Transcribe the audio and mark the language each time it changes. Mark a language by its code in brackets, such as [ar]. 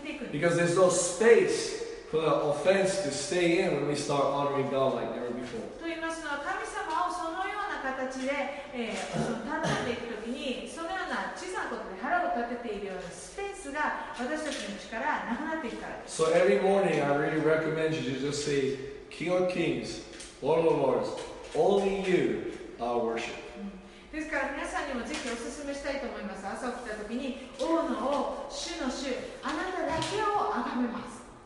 [en] Because there's no space. For the offense to stay in when we start honoring God like never before. [ja] と言いますのは神様をそのような形で、その立っていくときにそのような小さなことで腹を立てているようなスペースが私たちの力なくなっていくから。 [en] So every morning I really recommend you to just say, King of Kings, Lord of Lords, only you I worship. [ja] ですから皆さんにもぜひお勧めしたいと思います。朝起きたときに王の王、主の主、あなただけを崇めます。